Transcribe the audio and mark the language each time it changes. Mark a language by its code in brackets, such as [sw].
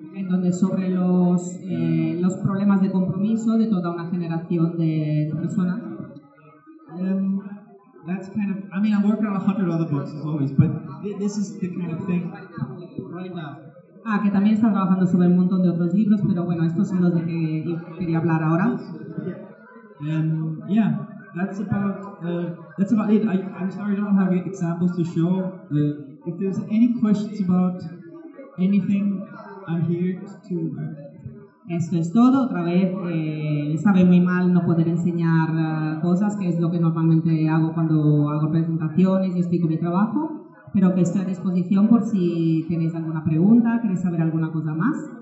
[es] En donde sobre los problemas de compromiso de toda una generación de personas. [en] That's kind of, I mean, I'm working on 100 other books as always, but this is the kind of thing right now. [es] Ah, que también está trabajando sobre un montón de otros libros, pero bueno, estos son los de que yo quería hablar ahora. [en] Yeah, that's about it. I'm sorry, I don't have examples to show. If there's any questions about anything, I'm here to. [es] Esto es todo. Otra vez, sabe muy mal no poder enseñar cosas, que es lo que normalmente hago cuando hago presentaciones y explico mi trabajo, pero que estoy a disposición por si tenéis alguna pregunta, queréis saber alguna cosa más.